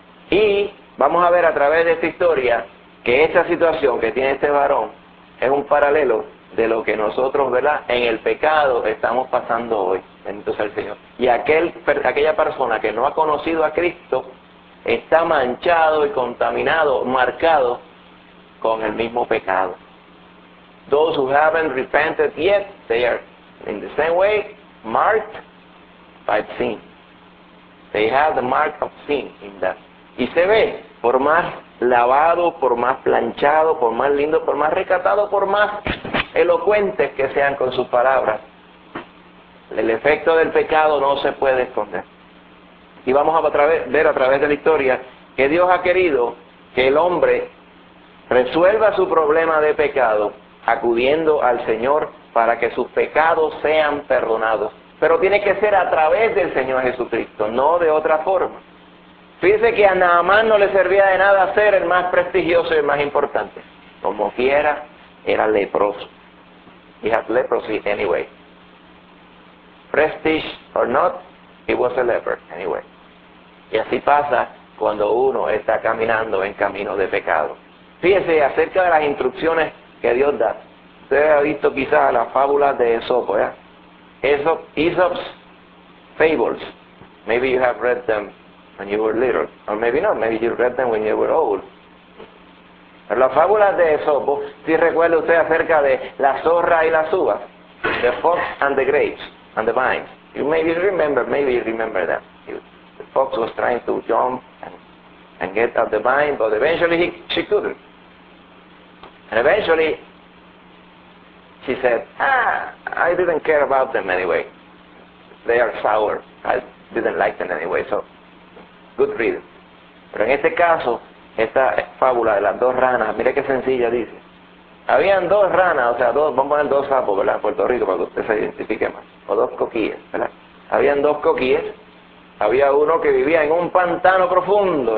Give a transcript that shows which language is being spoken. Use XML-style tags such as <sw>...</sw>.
<es>Y vamos a ver a través de esta historia que esta situación que tiene este varón es un paralelo de lo que nosotros, ¿verdad?, en el pecado estamos pasando hoy. Entonces el Señor. Y aquella persona que no ha conocido a Cristo está manchado y contaminado, marcado con el mismo pecado.</es> <en>Those who haven't repented yet, they are in the same way marked by sin. They have the mark of sin in that.</en> <es>Y se ve, por más lavado, por más planchado, por más lindo, por más recatado, por más elocuentes que sean con sus palabras, el efecto del pecado no se puede esconder. Y vamos a ver a través de la historia que Dios ha querido que el hombre resuelva su problema de pecado acudiendo al Señor para que sus pecados sean perdonados. Pero tiene que ser a través del Señor Jesucristo, no de otra forma. Fíjese que a Naamán no le servía de nada ser el más prestigioso y el más importante. Como quiera, era leproso.</es> <en>He had leprosy anyway. Prestige or not, He was a leper, anyway.</en> <es>Y así pasa cuando uno está caminando en camino de pecado. Fíjese acerca de las instrucciones que Dios da. Usted ha visto quizás las fábulas de Esopo, ¿ya?</es> <en>Aesop's Fables. Maybe you have read them when you were little. Or maybe not, maybe you read them when you were old.</en> <es>Pero las fábulas de Esopo, si recuerda usted acerca de la zorra y las uvas.</es> <en>The fox and the grapes and the vines. You maybe remember, that. The fox was trying to jump and get out the vine, but eventually she couldn't. And eventually, she said, I didn't care about them anyway. They are sour. I didn't like them anyway, so good reading.</en> <es>Pero en este caso, esta fábula de las dos ranas, mire qué sencilla dice. Habían dos ranas, o sea, vamos a poner dos sapos, ¿verdad? En Puerto Rico, para que usted se identifique más. O dos coquillas, ¿verdad? Habían dos coquillas. Había uno que vivía en un pantano profundo.</es>